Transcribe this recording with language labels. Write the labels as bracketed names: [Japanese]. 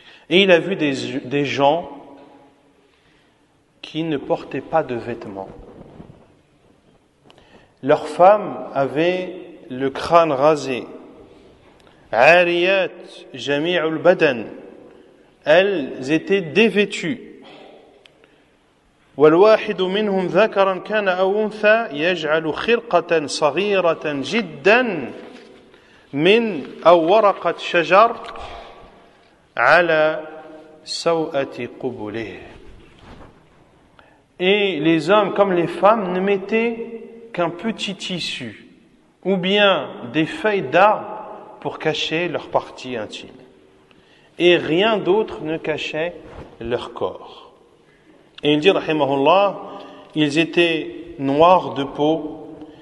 [French] Et il a vu des gens qui ne portaient pas de vêtements. Leurs femmes avaient le crâne rasé. [Arabic] Ariyat jami'ul badan. [French] Elles étaient dévêtues. [Arabic] والواحد منهم ذكرا كان أو أنثى يجعل خرقة صغيرة جدا من أو ورقة شجر على سوءة قبله. [French] Et les hommes comme les femmes ne mettaient qu'un petit tissu ou bien des feuilles d'arbre pour cacher leur partie intime, et rien d'autre ne cachait leur corps. Et il dit, rahimahullah, ils étaient noirs de peau.